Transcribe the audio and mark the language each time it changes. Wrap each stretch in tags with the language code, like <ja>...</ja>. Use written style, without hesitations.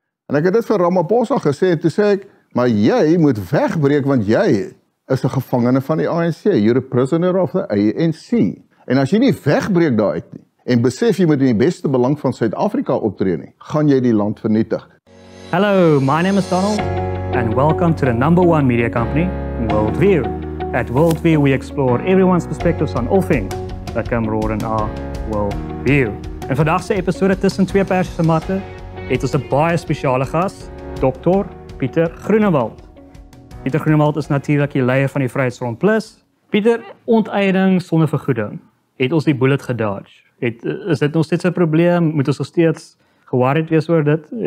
<af>En ek het dit vir Ramaphosa gesê, toe sê ek, maar jy moet wegbreek, want jy is 'n gevangene van die ANC,</af> <en>you're a prisoner of the ANC.</en> <af>En as jy nie wegbreek daaruit nie, en besef jy moet in die beste belang van Suid-Afrika optree nie, gaan jy die land vernietig.</af> <en>Hello, my name is Donald, and welcome to the number one media company, WorldView. At WorldView, we explore everyone's perspectives on all things that come broaden our worldview.</en> <af>En vandag se episode tussen twee persies se matte, het ons 'n baie spesiale gas, Dr. Pieter Groenewald. Pieter Groenewald is natuurlik die leier van die Vryheidsfront Plus. Pieter, onteiening sonder vergoeding. Het ons die bullet gedodge? Is dit nog steeds 'n probleem? Moet ons nog steeds geworried wees oor dit?</af>